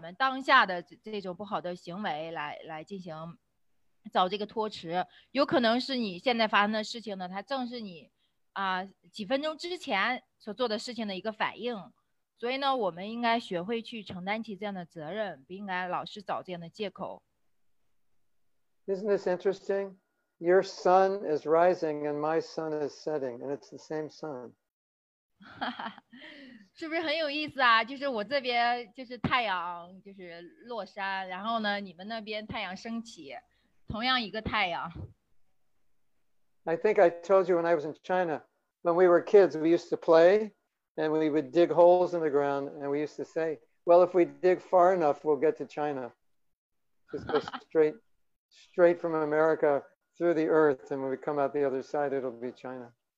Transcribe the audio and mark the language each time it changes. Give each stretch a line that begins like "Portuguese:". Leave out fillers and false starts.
Chinese: 就是虽然有时候当我们面临这个非常艰难的这个婚姻处境或者是这个健康的状况的时候呢，虽然有时候它可能真的是我们过往的这些业报导致的，但是呢，这并不意味着说，就是说我们可以一直拿这个过去的业报作为借口，然后呢，来就是说去为我们当下的这种不好的行为来进行。找这个托词，有可能是你现在发生的事情呢，它正是你几分钟之前所做的事情的一个反应。所以呢，我们应该学会去承担起这样的责任，不应该老是找这样的借口。
English: Isn't this interesting? Your sun is rising and my sun is setting, and it's the same sun.
Chinese: 是不是很有意思啊？就是我这边就是太阳就是落山，然后呢，你们那边太阳升起。
English: I think I told you when I was in China, when we were kids, we used to play and we would dig holes in the ground and we used to say, well, if we dig far enough, we'll get to China. Just go straight from America through the earth and when we come out the other side, it'll be China.